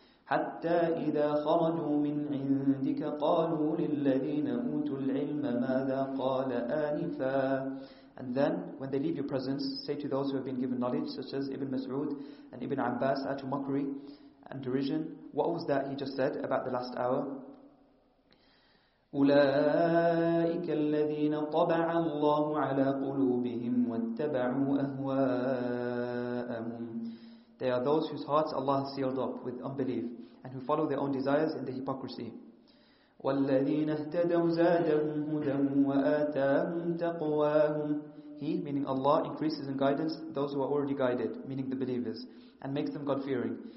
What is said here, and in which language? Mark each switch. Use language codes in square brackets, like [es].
[ar] حَتَّى إِذَا خَرَجُوا مِنْ عِنْدِكَ قَالُوا لِلَّذِينَ أُوتُوا الْعِلْمَ مَاذَا قَالَ آنِفًا. [en] And then, when they leave your presence, say to those who have been given knowledge, such as Ibn Mas'ud and Ibn Abbas, out of mockery and derision, what was that he just said about the last hour? [ar] أولئك الذين طبع الله على قلوبهم واتبعوا أهواءهم. [en] They are those whose hearts Allah has sealed up with unbelief, and who follow their own desires in the hypocrisy. [ar] والذين اهتدوا زادهم هدى وآتاهم تقواهم. [en] He, meaning Allah, increases in guidance those who are already guided, meaning the believers, and makes them God-fearing.